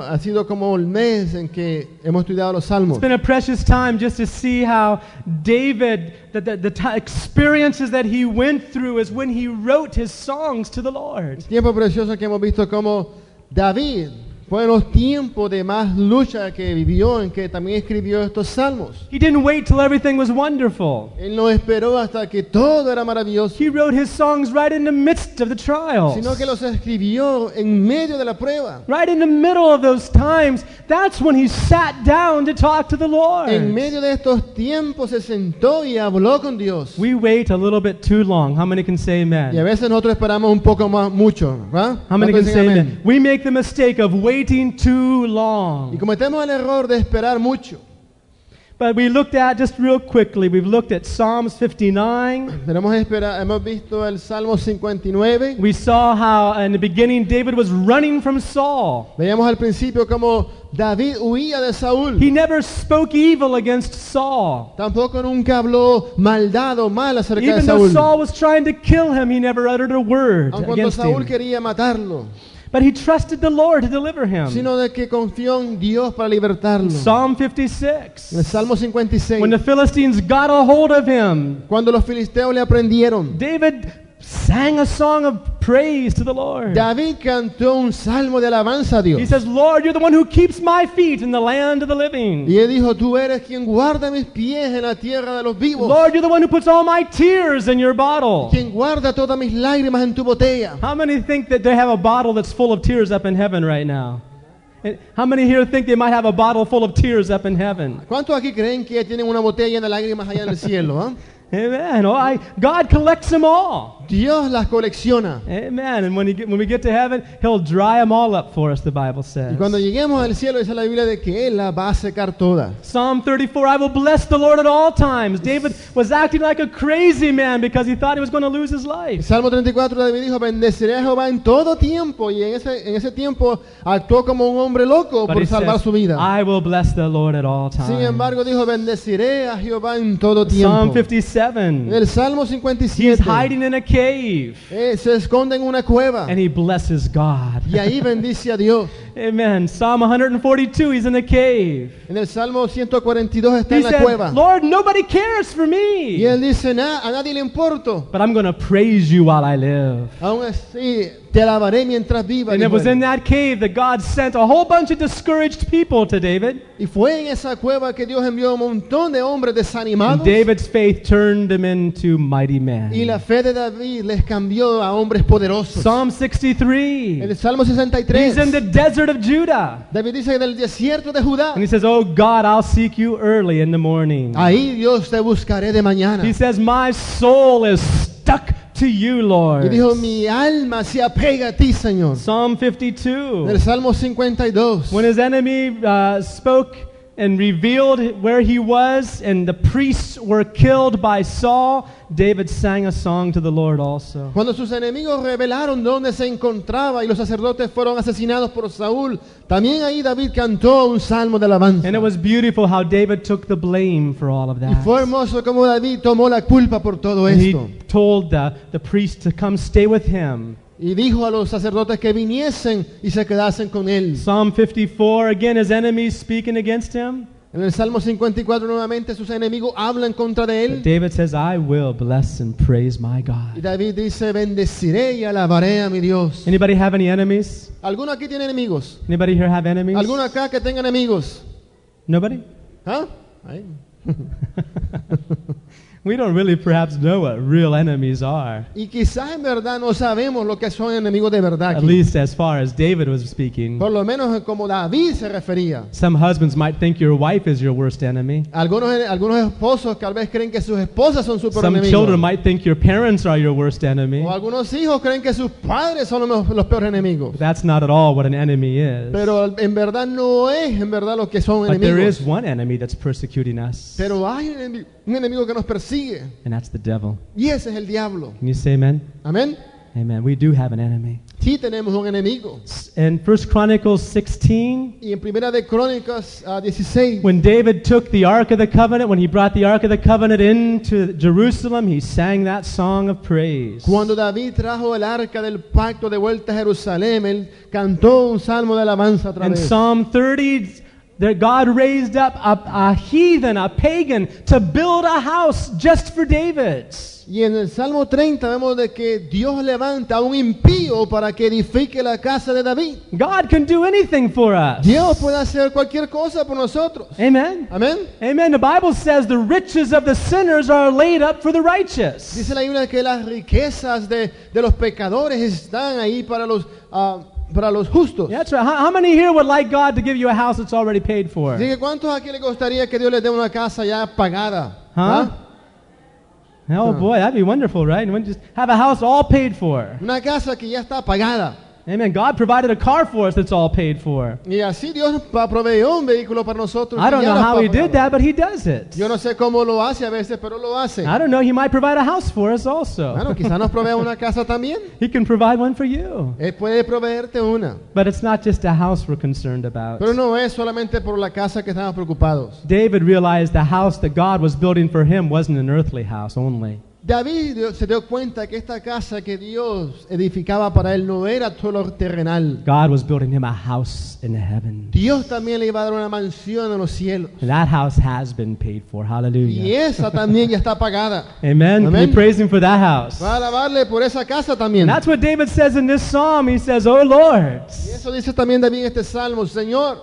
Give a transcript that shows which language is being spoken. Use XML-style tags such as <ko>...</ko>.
<es>Ha sido como el mes en que hemos estudiado los salmos.</es> <en>It's been a precious time just to see how David, the experiences that he went through is when he wrote his songs to the Lord.</en> <es>El tiempo precioso que hemos visto como David fue los tiempos de más lucha que vivió en que también escribió estos salmos.</es> <en>He didn't wait till everything was wonderful.</en> <es>Él no esperó hasta que todo era maravilloso.</es> <en>He wrote his songs right in the midst of the trials.</en> <es>Sino que los escribió en medio de la prueba.</es> <en>Right in the middle of those times, that's when he sat down to talk to the Lord.</en> <es>En medio de estos tiempos se sentó y habló con Dios.</es> <en>We wait a little bit too long. How many can say amen?</en> <es>Y a veces nosotros esperamos un poco más mucho, ¿verdad?</es> <en>How many can say amen? We make the mistake of waiting too long.</en> <es>Y cometemos el error de esperar mucho.</es> <en>But we looked at, just real quickly, we've looked at Psalms 59.</en> <es>Pero hemos visto el Salmo 59.</es> <en>We saw how in the beginning David was running from Saul.</en> <es>Veíamos al principio como David huía de Saúl.</es> <en>He never spoke evil against Saul.</en> <es>Tampoco nunca habló maldad o mal acerca</es> <en>Even</en> <es>de Saúl.</es> <en>Though Saul was trying to kill him, he never uttered a word</en> <es>Aun</es> <en>against</en> <es>cuando Saúl</es> <en>him.</en> <es>Quería matarlo.</es> <en>But he trusted the Lord to deliver him.</en> <es>Sino de que confió en Dios para libertarlo.</es> <en>Psalm 56.</en> <es>En el Salmo 56.</es> <en>When the Philistines got a hold of him.</en> <es>Cuando los filisteos le aprendieron.</es> <en>David sang a song of praise to the Lord.</en> <es>David cantó un salmo de alabanza a Dios.</es> <en>He says, "Lord, you're the one who keeps my feet in the land of the living."</en> <es>Y él dijo, "Tú eres quien guarda mis pies en la tierra de los vivos."</es> <en>Lord, you're the one who puts all my tears in your bottle.</en> <es>Quien guarda todas mis lágrimas en tu botella.</es> <en>How many think that they have a bottle that's full of tears up in heaven right now? How many here think they might have a bottle full of tears up in heaven?</en> <es>¿Cuántos aquí creen que tienen una botella llena de lágrimas allá en el cielo,</es> <en>Amen. Oh, God collects them all.</en> <es>Dios las colecciona.</es> <en>Amen. And when we get to heaven, He'll dry them all up for us, the Bible says.</en> <es>Y cuando lleguemos al cielo, dice la Biblia de que Él las va a secar todas.</es> <en>Psalm 34, I will bless the Lord at all times. David was acting like a crazy man because he thought he was going to lose his life.</en> <es>Salmo 34, David dijo, bendeciré a Jehová en todo tiempo. Y en ese tiempo, actuó como un hombre loco</es> <en>but</en> <es>por salvar</es> <en>says,</en> <es>su vida.</es> <en>I will bless the Lord at all times.</en> <es>Sin embargo, dijo, bendeciré a Jehová en todo tiempo.</es> <en>Psalm 56.</en> <es>El Salmo 57.</es> <en>He's hiding in a cave.</en> <es>Se esconde en una cueva.</es> <en>And he blesses God.</en> <es>Y ahí bendice a Dios.</es> <en>Amen. Psalm 142, he's in a cave.</en> <es>En el Salmo 142 está en la cueva.</es> <en>Lord, nobody cares for me.</en> <es>Y él dice, a nadie le importo.</es> <en>But I'm going to praise you while I live.</en> <es>Aún así, te alabaré mientras viva.</es> <en>And it was in that cave that God sent a whole bunch of discouraged people to David.</en> <es>Y fue en esa cueva que Dios envió un montón de hombres desanimados.</es> <en>And David's faith turned him into mighty men.</en> <es>Y la fe de David les cambió a hombres poderosos.</es> <en>Psalm 63.</en> <es>En el Salmo 63.</es> <en>He's in the desert of Judah.</en> <es>David dice en el desierto de Judá.</es> <en>And he says, "Oh God, I'll seek you early in the morning."</en> <es>Ahí Dios te buscaré de mañana.</es> <en>He says, "My soul is stuck to you, Lord."</en> <es>Y dijo, mi alma se apega a ti, Señor.</es> <en>Psalm 52.</en> <es>El Salmo 52.</es> <en>When his enemy spoke and revealed where he was, and the priests were killed by Saul, David sang a song to the Lord also.</en> <es>Cuando sus enemigos revelaron dónde se encontraba y los sacerdotes fueron asesinados por Saúl, también ahí David cantó un salmo de alabanza.</es> <en>And it was beautiful how David took the blame for all of that.</en> <es>Y fue hermoso como David tomó la culpa por todo</es> <en>and</en> <es>esto.</es> <en>He told the priest to come stay with him.</en> <es>Y dijo a los sacerdotes que viniesen y se quedasen con él.</es> <en>Psalm 54, again his enemies speaking against him.</en> <es>En el Salmo 54 nuevamente sus enemigos hablan contra de él.</es> <en>But David says, I will bless and praise my God.</en> <es>Y David dice, bendeciré y alabaré a mi Dios.</es> <en>Anybody have any enemies?</en> <es>¿Alguno aquí tiene enemigos?</es> <en>Anybody here have enemies?</en> <es>¿Alguno acá que tenga enemigos?</es> <en>Nobody? Huh? We don't really perhaps know what real enemies are.</en> <es>Y quizás en verdad no sabemos lo que son enemigos de verdad.</es> <en>At least as far as David was speaking.</en> <es>Por lo menos como David se refería.</es> <en>Some husbands might think your wife is your worst enemy.</en> <es>Algunos esposos tal vez creen que sus esposas son su peor enemigo.</es> <en>Some children might think your parents are your worst enemy.</en> <es>O algunos hijos creen que sus padres son los peores enemigos.</es> <en>But that's not at all what an enemy is.</en> <es>Pero en verdad no es en verdad lo que son enemigos.</es> <en>But there is one enemy that's persecuting us.</en> <es>Pero hay un enemigo que nos persigue.</es> <en>And that's the devil.</en> <es>Y ese es el diablo.</es> <en>Can you say amen? Amen. Amen. We do have an enemy.</en> <es>Sí, tenemos un enemigo.</es> <en>In 1 Chronicles 16,</en> <es>y en Primera de Crónicas, 16,</es> <en>when David took the Ark of the Covenant, when he brought the Ark of the Covenant into Jerusalem, he sang that song of praise.</en> <es>Cuando David trajo el Arca del Pacto de vuelta a Jerusalén, él cantó un salmo de alabanza otra</es> <en>and</en> <es>vez.</es> <en>In Psalm 30, that God raised up a heathen, a pagan, to build a house just for David.</en> <es>Y en el Salmo 30 vemos de que Dios levanta a un impío para que edifique la casa de David.</es> <en>God can do anything for us.</en> <es>Dios puede hacer cualquier cosa por nosotros.</es> <en>Amen. Amen. Amen. The Bible says the riches of the sinners are laid up for the righteous.</en> <es>Dice la Biblia que las riquezas de los pecadores están ahí para los para los justos.</es> <en>Yeah, that's right. How many here would like God to give you a house that's already paid for?</en> <es>Dice, ¿cuántos aquí le gustaría que Dios les dé una casa ya pagada?</es> <en>Huh? Oh boy, that'd be wonderful, right? And we just have a house all paid for.</en> <es>Una casa que ya está pagada.</es> <en>Amen. God provided a car for us that's all paid for.</en> <es>Y así Dios proveyó un vehículo para nosotros.</es> <en>I don't know how he did that, but he does it.</en> <es>Yo no sé cómo lo hace a veces, pero lo hace.</es> <en>I don't know. He might provide a house for us also.</en> <es>Bueno, quizá nos provea una casa también.</es> <en>He can provide one for you.</en> <es>Él puede proveerte una.</es> <en>But it's not just a house we're concerned about.</en> <es>Pero no es solamente por la casa que estamos preocupados.</es> <en>David realized the house that God was building for him wasn't an earthly house only.</en> <es>David se dio cuenta que esta casa que Dios edificaba para él no era solo terrenal.</es> <en>God was building him a house in heaven.</en> <es>Dios también le iba a dar una mansión en los cielos.</es> <en>And that house has been paid for. Hallelujah.</en> <es>Y esa también ya está pagada.</es> <en>Amen. Amen. Can you praise him for that house?</en> <es>Para alabarle por esa casa también.</es> <en>And that's what David says in this psalm. He says, "Oh Lord."</en> <es>Y eso dice también David en este salmo, Señor.</es>